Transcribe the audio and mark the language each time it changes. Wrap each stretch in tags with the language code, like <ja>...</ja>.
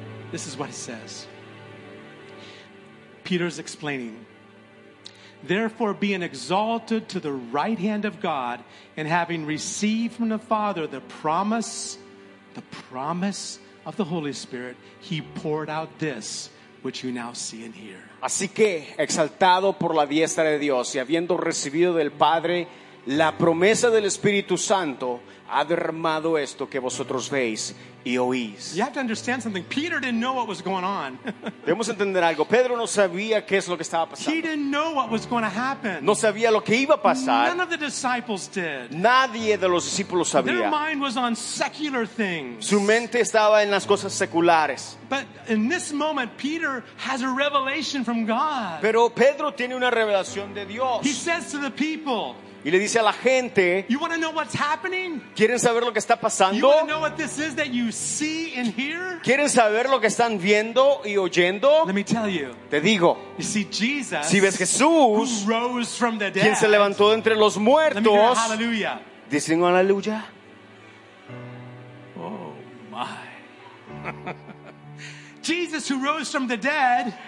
<en>This is what it says. Peter's explaining. Therefore, being exalted to the right hand of God, and having received from the Father the promise of the Holy Spirit, he poured out this which you now see and hear.</en> <es>Así que, exaltado por la diestra de Dios y habiendo recibido del Padre la promesa del Espíritu Santo, ha derramado esto que vosotros veis y oís.</es> <en>You have to understand something. Peter didn't know what was going on.</en> <es>Debemos entender algo. Pedro no sabía qué es lo que estaba pasando.</es> <en>He didn't know what was going to happen.</en> <es>No sabía lo que iba a pasar.</es> <en>None of the disciples did.</en> <es>Nadie de los discípulos sabía.</es> <en>Their mind was on secular things.</en> <es>Su mente estaba en las cosas seculares.</es> <en>But in this moment, Peter has a revelation from God.</en> <es>Pero Pedro tiene una revelación de Dios.</es> <en>He says to the people.</en> <es>Y le dice a la gente,</es> <en>you want to know what's happening?</en> <es>¿Quieren saber lo que está pasando?</es> <en>You want to know what this is that you see and hear?</en> <es>¿Quieren saber lo que están viendo y oyendo?</es> <en>Let me tell you.</en> <es>Te digo.</es> <en>You see Jesus.</en> <es>Si ves Jesús,</es> <en>who rose from the dead.</en> <es>Quien se levantó de entre los muertos.</es> <en>Let me hear hallelujah.</en> <es>Dicen aleluya.</es> <en>Oh my. Jesus who rose from the dead.</en>